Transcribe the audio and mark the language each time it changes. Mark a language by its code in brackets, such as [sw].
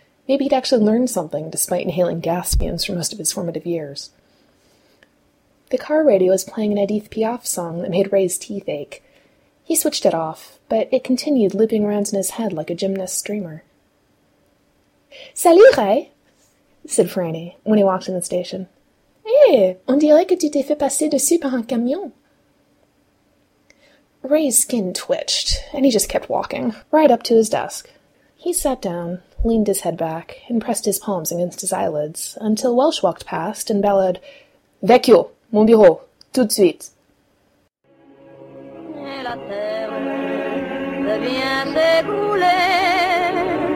[en] Maybe he'd actually learned something despite inhaling gas fumes for most of his formative years. The car radio was playing an Edith Piaf song that made Ray's teeth ache. He switched it off, but it continued looping around in his head like a gymnast's dreamer. [fr] Salut, Ray, [en] said Franny when he walked in the station. [fr] Hey, on dirait que tu t'es fait passer dessus par un camion. [en] Ray's skin twitched, and he just kept walking, right up to his desk. He sat down, leaned his head back, and pressed his palms against his eyelids, until Welsh walked past and bellowed, [fr] Vecchio, mon bureau, tout de suite. Et la terre devient s'écouler.